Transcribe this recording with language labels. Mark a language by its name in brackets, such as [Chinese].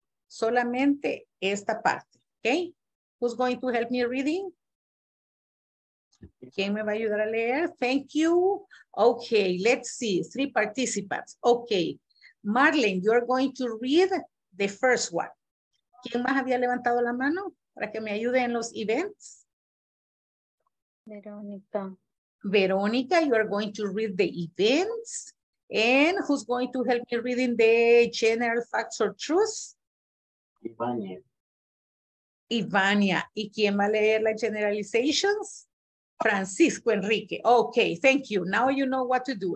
[Spanish] Solamente esta parte. [English] Okay, who's going to help me reading? [Spanish] ¿Quién me va a ayudar a leer? [English] Thank you. Okay, let's see. Three participants. Okay. Marlene, you're going to read the first one. [Spanish] ¿Quién más había levantado la mano para que me ayude en los events? Verónica. [English] Verónica, you are going to read the events. And who's going to help me reading the general facts or truths? Ivania. [Spanish] Ivania. ¿Y quién va a leer las generalizations? [English] Francisco Enrique. Okay, thank you. Now you know what to do.